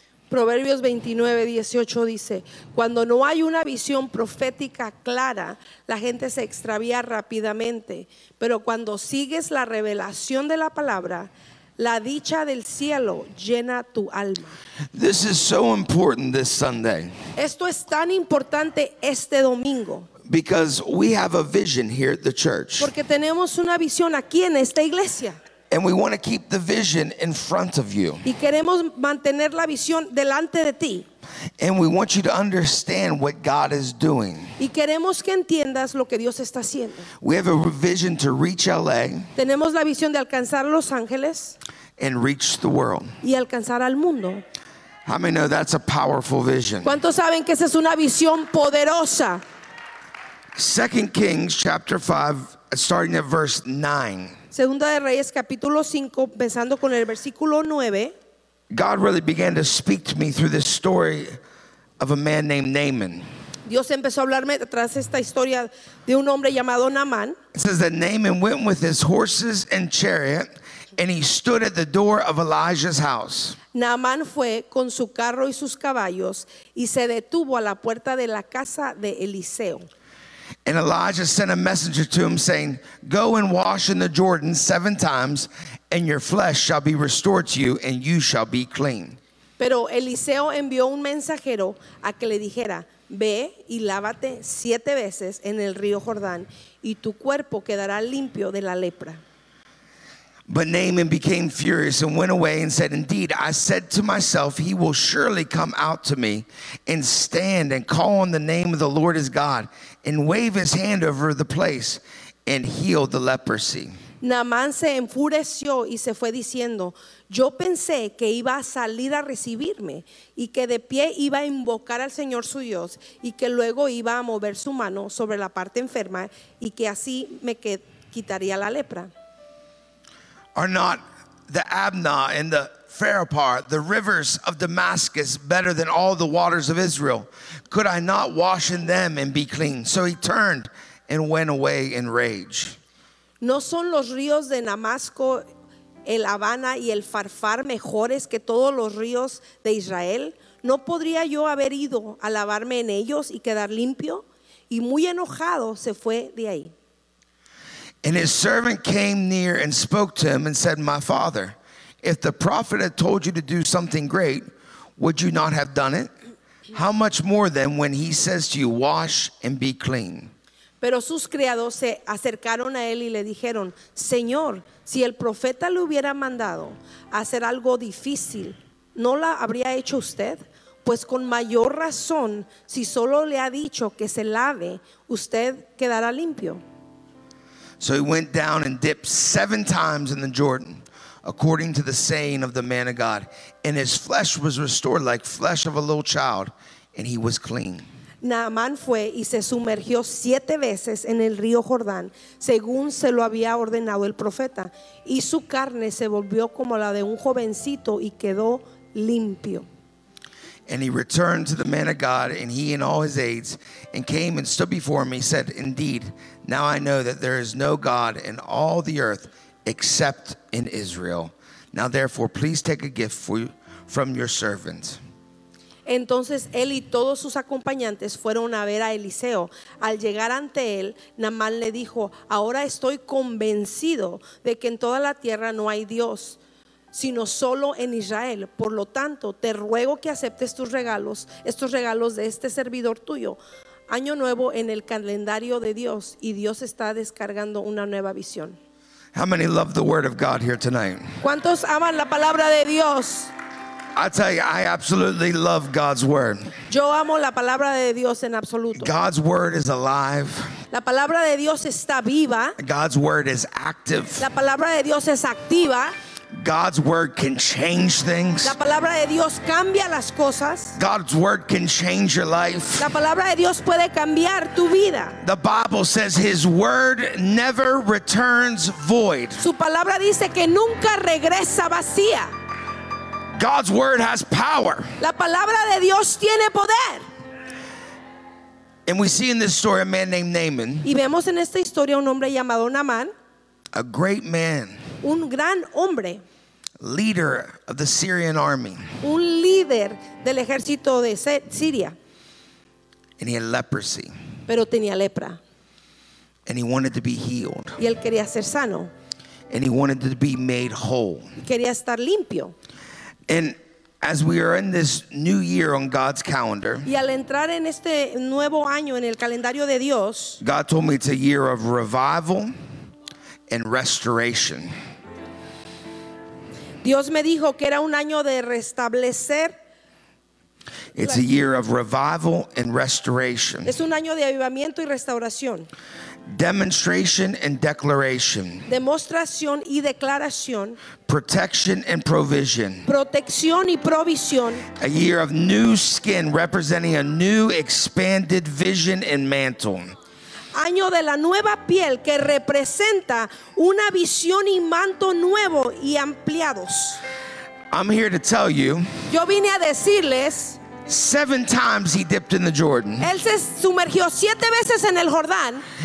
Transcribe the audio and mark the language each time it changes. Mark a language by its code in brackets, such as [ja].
[es] Proverbios 29, 18 dice, cuando no hay una visión profética clara, la gente se extravía rápidamente, pero cuando sigues la revelación de la palabra, la dicha del cielo llena tu alma. [en] This is so important this Sunday. [es] Esto es tan importante este domingo. [en] Because we have a vision here at the church. [es] Porque tenemos una visión aquí en esta iglesia. [en] And we want to keep the vision in front of you. [es] Y queremos mantener la visión delante de ti. [en] And we want you to understand what God is doing. [es] Y queremos que entiendas lo que Dios está haciendo. [en] We have a vision to reach LA. [es] Tenemos la visión de alcanzar Los Ángeles. [en] And reach the world. [es] Y alcanzar al mundo. [en] How many know that's a powerful vision? [es] ¿Cuántos saben que esa es una visión poderosa? [en] 2 Kings chapter 5, starting at verse 9. [es] Segunda de Reyes capítulo 5, empezando con el versículo 9. [en] God really began to speak to me through this story of a man named Naaman. [es] Dios empezó a hablarme tras esta historia de un hombre llamado Naaman. [en] It says that Naaman went with his horses and chariot, and he stood at the door of Elijah's house. [es] Naaman fue con su carro y sus caballos, y se detuvo a la puerta de la casa de Eliseo. [en] And Elijah sent a messenger to him saying, go and wash in the Jordan 7 times and your flesh shall be restored to you and you shall be clean. [es] Pero Eliseo envió un mensajero a que le dijera, ve y lávate 7 veces en el río Jordán y tu cuerpo quedará limpio de la lepra. [en] But Naaman became furious and went away and said, indeed, I said to myself, he will surely come out to me and stand and call on the name of the Lord his God and wave his hand over the place and heal the leprosy. [es] Naaman se enfureció y se fue diciendo, yo pensé que iba a salir a recibirme y que de pie iba a invocar al Señor su Dios y que luego iba a mover su mano sobre la parte enferma y que así me quitaría la lepra. [en] Are not the Abana and the Pharpar, the rivers of Damascus, better than all the waters of Israel? Could I not wash in them and be clean? So he turned and went away in rage. [es] ¿No son los ríos de Damasco, el Abana y el Farfar mejores que todos los ríos de Israel? ¿No podría yo haber ido a lavarme en ellos y quedar limpio? Y muy enojado se fue de ahí. [en] And his servant came near and spoke to him and said, my father, if the prophet had told you to do something great, would you not have done it? How much more then when he says to you, wash and be clean? [es] Pero sus criados se acercaron a él y le dijeron, Señor, si el profeta le hubiera mandado hacer algo difícil, ¿no la habría hecho usted? Pues con mayor razón, si solo le ha dicho que se lave, usted quedará limpio. [en] So he went down and dipped 7 times in the Jordan, according to the saying of the man of God. And his flesh was restored like flesh of a little child, and he was clean. [es] Naaman fue y se sumergió 7 veces en el río Jordán, según se lo había ordenado el profeta. Y su carne se volvió como la de un jovencito y quedó limpio. [en] And he returned to the man of God, and he and all his aides, and came and stood before him. He said, indeed, now I know that there is no God in all the earth except in Israel. Now, therefore, please take a gift from your servant. [es] Entonces, él y todos sus acompañantes fueron a ver a Eliseo. Al llegar ante él, Naaman le dijo, ahora estoy convencido de que en toda la tierra no hay Dios, sino solo en Israel. Por lo tanto, te ruego que aceptes tus regalos, estos regalos de este servidor tuyo. Año nuevo en el calendario de Dios, y Dios está descargando una nueva visión. [en] How many love the word of God here tonight? [es] ¿Cuántos aman la palabra de Dios? [en] I tell you, I absolutely love God's word. [es] Yo amo la palabra de Dios en absoluto. [en] God's word is alive. [es] La palabra de Dios está viva. [en] God's word is active. [es] La palabra de Dios es activa. [en] God's word can change things. [es] La palabra de Dios cambia las cosas. [en] God's word can change your life. [es] La palabra de Dios puede cambiar tu vida. [en] The Bible says his word never returns void. [es] Su palabra dice que nunca regresa vacía. [en] God's word has power. [es] La palabra de Dios tiene poder. [en] And we see in this story a man named Naaman. [es] Y vemos en esta historia un hombre llamado Naaman. [en] A great man. [es] Un gran hombre. [en] Leader of the Syrian army. [es] Un líder del ejército de Siria. [en] And he had leprosy. [es] Pero tenía lepra. [en] And he wanted to be healed. [es] Y él quería ser sano. [en] And he wanted to be made whole. [es] Quería estar limpio. [en] And as we are in this new year on God's calendar, [es] y al entrar en este nuevo año en el calendario de Dios, [en] God told me it's a year of revival and restoration. [es] Dios me dijo que era un año de restablecer. [en] It's a year of revival and restoration. [es] Es un año de avivamiento y restauración. [en] Demonstration and declaration. [es] Demostración y declaración. [en] Protection and provision. [es] Protección y provisión. [en] A year of new skin representing a new expanded vision and mantle. [es] Año de la nueva piel que representa una visión y manto nuevo y ampliados. [en] I'm here to tell you. [es] Yo vine a decirles. [en] 7 times he dipped in the Jordan. [es] Él se sumergió 7 veces en el Jordán.